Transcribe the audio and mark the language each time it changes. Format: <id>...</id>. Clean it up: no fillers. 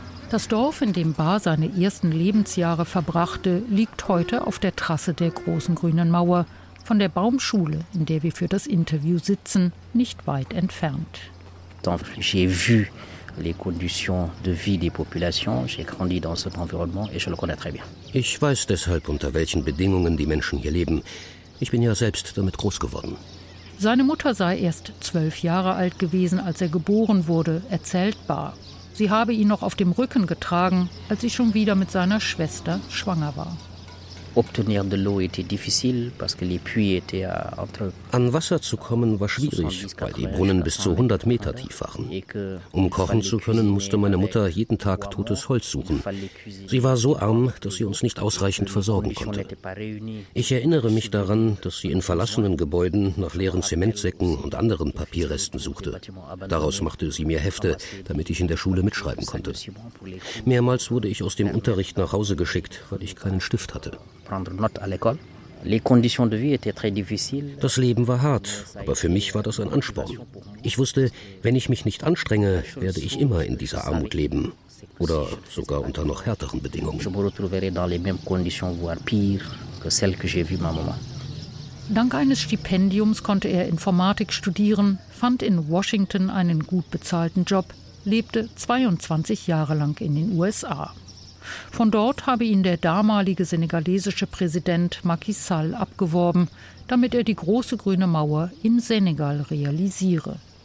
<de>Das Dorf, in dem Ba seine ersten Lebensjahre verbrachte, liegt heute auf der Trasse der Großen Grünen Mauer, von von der Baumschule, in der wir für das Interview sitzen, nicht weit entfernt.</de> <fr>J'ai vu les conditions de vie des populations, j'ai grandi dans cet environnement et je le connais très bien.</fr> <de>Ich weiß deshalb, unter welchen Bedingungen die Menschen hier leben. Ich bin ja selbst damit groß geworden. Seine Mutter sei erst 12 Jahre alt gewesen, als er geboren wurde, erzählt Bar. Sie habe ihn noch auf dem Rücken getragen, als sie schon wieder mit seiner Schwester schwanger war.</de> <fr>Obtenir de l'eau était difficile parce que les puits étaient entre.</fr> <de>An Wasser zu kommen war schwierig, weil die Brunnen bis zu 100 Meter tief waren. Um kochen zu können, musste meine Mutter jeden Tag totes Holz suchen. Sie war so arm, dass sie uns nicht ausreichend versorgen konnte. Ich erinnere mich daran, dass sie in verlassenen Gebäuden nach leeren Zementsäcken und anderen Papierresten suchte. Daraus machte sie mir Hefte, damit ich in der Schule mitschreiben konnte. Mehrmals wurde ich aus dem Unterricht nach Hause geschickt, weil ich keinen Stift hatte.</de> <fr>Prendre note à l'école. Les conditions de vie étaient très difficiles.</fr> <de>Das Leben war hart, aber für mich war das ein Ansporn. Ich wusste, wenn ich mich nicht anstrenge, werde ich immer in dieser Armut leben. Oder sogar unter noch härteren Bedingungen.</de> <fr>Je me retrouverai dans les mêmes conditions, voire pire que celles que j'ai vu ma maman.</fr> <de>Dank eines Stipendiums konnte er Informatik studieren, fand in Washington einen gut bezahlten Job, lebte 22 Jahre lang in den USA. Von dort habe ihn der damalige senegalesische Präsident Macky Sall abgeworben, damit er die große grüne Mauer in Senegal realisiere.</de>